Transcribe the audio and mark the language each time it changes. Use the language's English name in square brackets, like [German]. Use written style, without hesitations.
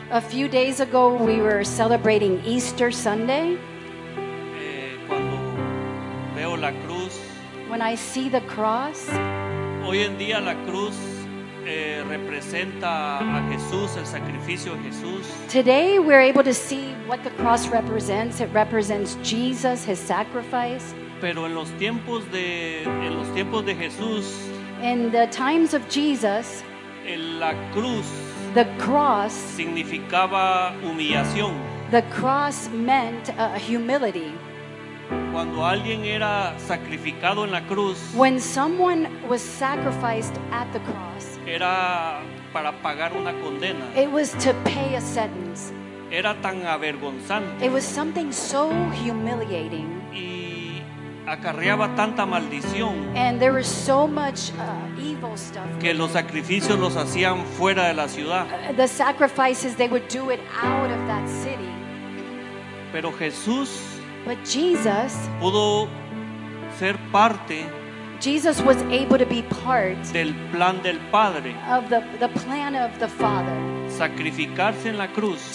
[English] A few days ago we were celebrating Easter Sunday. [Spanish] Cuando veo la cruz. [English] When I see the cross. [Spanish] Hoy en día la cruz representa a Jesús, el sacrificio de Jesús. [English] Today we're able to see what the cross represents. It represents Jesus, his sacrifice. [Spanish] Pero en los tiempos de Jesús, [English] in the times of Jesus, [Spanish] la cruz, [English] the cross, [Spanish] significaba humillación. [English] The cross meant humility. [Spanish] Cuando alguien era sacrificado en la cruz, [English] when someone was sacrificed at the cross, [Spanish] era para pagar una condena. [English] It was to pay a sentence. [Spanish] Era tan avergonzante. [English] It was something so humiliating. [Spanish] Y acarreaba tanta maldición. [English] And there was so much evil stuff. [Spanish] Que los sacrificios los hacían fuera de la ciudad. [English] The sacrifices, they would do it out of that city. [Spanish] Pero Jesús, [English] but Jesus, [Spanish] pudo ser parte, [English] Jesus was able to be part [Spanish] del plan del Padre, [English] of the plan of the Father, [Spanish] sacrificarse en la cruz,